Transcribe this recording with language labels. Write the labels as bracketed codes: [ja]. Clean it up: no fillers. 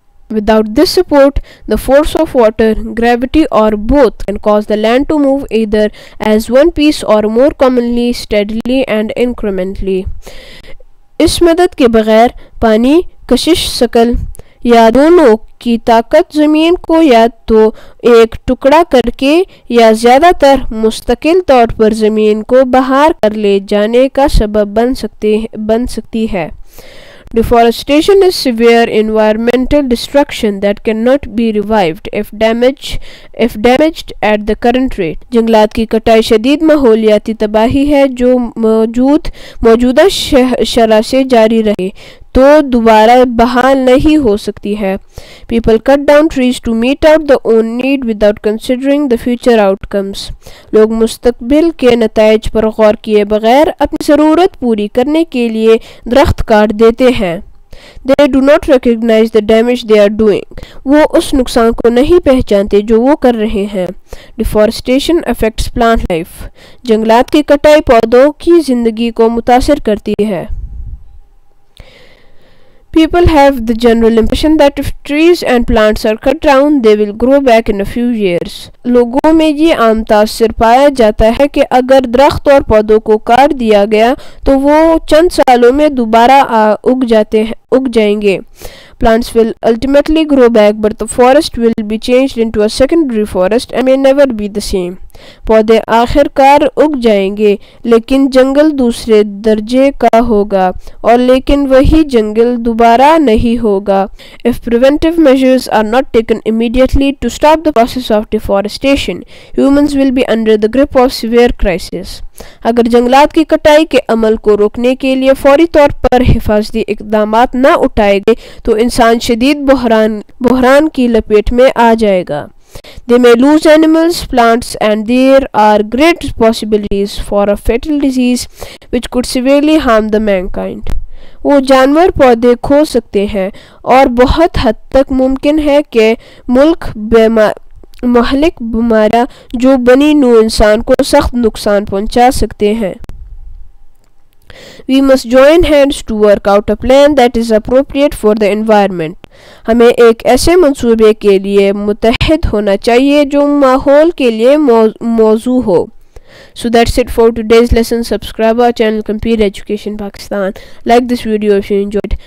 [en] Without this support, the force of water, gravity or both can cause the land to move either as one piece or more commonly steadily and incrementally. [ur] اس مدد کے بغیر پانی، کشش ثقل یا دونوں کی طاقت زمین کو یا تو ایک ٹکڑا کر کے یا زیادہ تر مستقل طور پر زمین کو بہار کر لے جانے کا سبب بن سکتی ہے. [en] Deforestation is severe environmental destruction that cannot be revived if damaged at the current rate. [ur] جنگلات کی کٹائی شدید ماحولیاتی تباہی ہے جو موجودہ شرح سے جاری رہے تو دوبارہ بحال نہیں ہو سکتی ہے. [en] People cut down trees to meet out the own need without considering the future outcomes. [ur] لوگ مستقبل کے نتائج پر غور کیے بغیر اپنی ضرورت پوری کرنے کے لیے درخت کاٹ دیتے ہیں. [en] They do not recognize the damage they are doing. [ur] وہ اس نقصان کو نہیں پہچانتے جو وہ کر رہے ہیں. [en] Deforestation affects plant life. [ur] جنگلات کی کٹائی پودوں کی زندگی کو متاثر کرتی ہے. [en] People have the general impression that if trees and plants are cut down, they will grow back in a few years. [ur] لوگوں میں یہ عام تاثر پایا جاتا ہے کہ اگر درخت اور پودوں کو کاٹ دیا گیا تو وہ چند سالوں میں دوبارہ اگ جائیں گے. [en] Plants will ultimately grow back, but the forest will be changed into a secondary forest and may never be the same. [ur] پودے آخر کار اگ جائیں گے لیکن جنگل دوسرے درجے کا ہوگا اور لیکن وہی جنگل دوبارہ نہیں ہوگا. [en] If preventive measures are not taken immediately to stop the process of deforestation, humans will be under the grip of severe crisis. [ur] اگر جنگلات کی کٹائی کے عمل کو روکنے کے لیے فوری طور پر حفاظتی اقدامات نہ اٹھائے گئے تو انسان شدید بحران کی لپیٹ میں آ جائے گا. [en] They may lose animals, plants, and there are great possibilities for a fatal disease which could severely harm the mankind. [ur] وہ جانور پودے کھو سکتے ہیں اور بہت حد تک ممکن ہے کہ ملک مہلک بیماریاں جو بنی نو انسان کو سخت نقصان پہنچا سکتے ہیں. [en] We must join hands to work out a plan that is appropriate for the environment. [ur] ہمیں ایک ایسے منصوبے کے لیے متحد ہونا چاہیے جو ماحول کے لیے موزوں ہو. [en] So that's it for today's lesson. Subscribe our channel Compete Education Pakistan. Like this video if you enjoyed.